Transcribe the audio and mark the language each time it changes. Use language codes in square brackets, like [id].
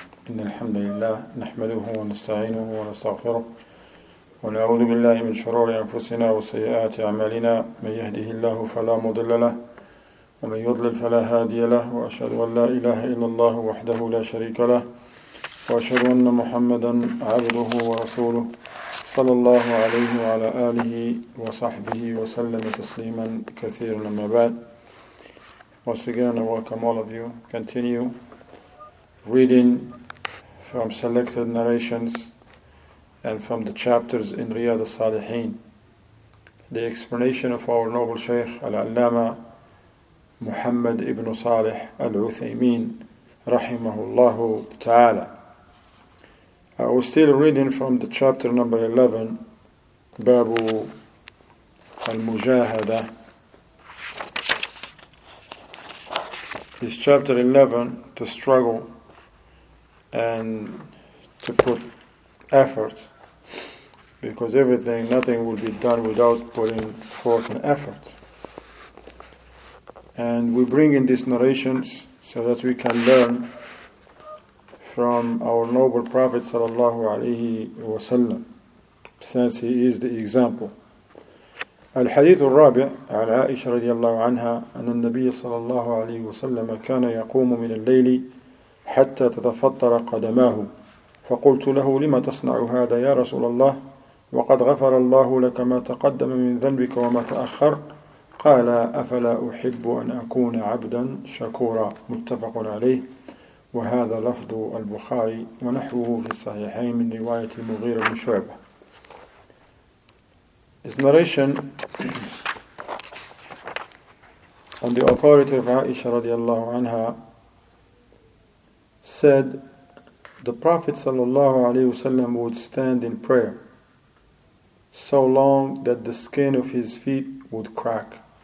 [ar] إن الحمد لله نحمده ونستعينه ونستغفره ونعوذ بالله من شرور أنفسنا وسيئات أعمالنا، من يهده الله فلا مضل له ومن يضلل فلا هادي له، وأشهد أن لا إله إلا الله وحده لا شريك له، وأشهد أن محمدا عبده ورسوله صلى الله عليه وعلى آله وصحبه وسلم تسليما كثيرا. أما بعد، [en] once again I welcome all of you. Continue reading from selected narrations and from the chapters in Riyad al-Salihin. The explanation of our noble Shaykh Al-Allama Muhammad ibn Salih Al-Uthaymeen rahimahullahu ta'ala. I was still reading from the chapter number 11, Babu Al-Mujahada. This chapter 11, to struggle and to put effort, because nothing will be done without putting forth an effort. And we bring in these narrations so that we can learn from our noble Prophet sallallahu alaihi wasallam, since he is the example. [ar] الحديث الرابع على عائشة رضي الله عنها أن النبي صلى الله عليه وسلم كان يقوم من الليل حتى تتفطر قدماه، فقلت له لما تصنع هذا يا رسول الله وقد غفر الله لك ما تقدم من ذنبك وما تأخر، قال أفلا أحب أن أكون عبدا شكورا. متفق عليه، وهذا لفظ البخاري ونحوه في الصحيحين من رواية المغيرة بن شعبة. [en] This narration on the authority of Aisha radiallahu anha said the Prophet sallallahu alaihi wasallam would stand in prayer so long that the skin of his feet would crack.